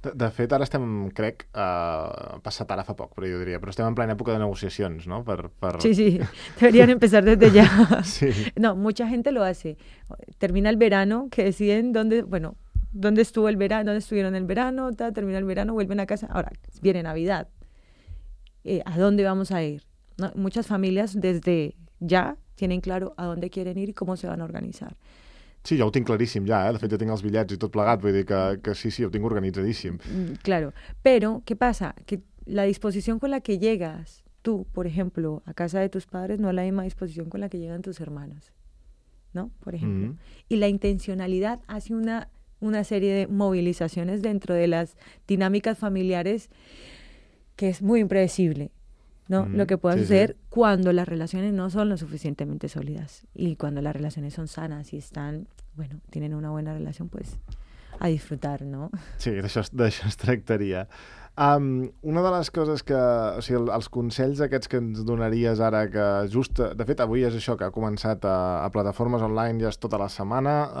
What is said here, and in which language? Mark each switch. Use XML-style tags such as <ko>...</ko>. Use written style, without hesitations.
<ca>De fet, ara estem, crec, passat ara fa poc, però jo diria, però estem en plena època de negociacions, no? Per...</ca> <es>Sí, sí, deberían empezar desde ya. Sí. No, mucha gente lo hace. Termina el verano, que deciden dónde, bueno, dónde estuvo el verano, dónde estuvieron el verano, termina el verano, vuelven a casa, ahora viene Navidad. ¿A dónde vamos a ir? ¿No? Muchas familias desde ya tienen claro a dónde quieren ir y cómo se van a organizar.</es> <ca>Sí, jo ho tinc claríssim ja, eh? De fet ja tinc els bitllets i tot plegat, vull dir que sí, sí, ho tinc organitzadíssim.</ca> <es>Claro, pero ¿qué pasa? Que la disposición con la que llegas tú, por ejemplo, a casa de tus padres no es la misma disposición con la que llegan tus hermanos, ¿no? Por ejemplo. Mm-hmm. Y la intencionalidad hace una serie de movilizaciones dentro de las dinámicas familiares que es muy impredecible, ¿no? Mm-hmm. Lo que puede suceder, sí, sí, cuando las relaciones no son lo suficientemente sólidas y cuando las relaciones son sanas y están, bueno, tienen una buena relación, pues a disfrutar, ¿no?</es> <ca>Sí, d'això es tractaria. Una de les coses que... O sigui, els consells aquests que ens donaries ara, que just... De fet, avui és això que ha començat a plataformes online ja és tota la setmana.</ca>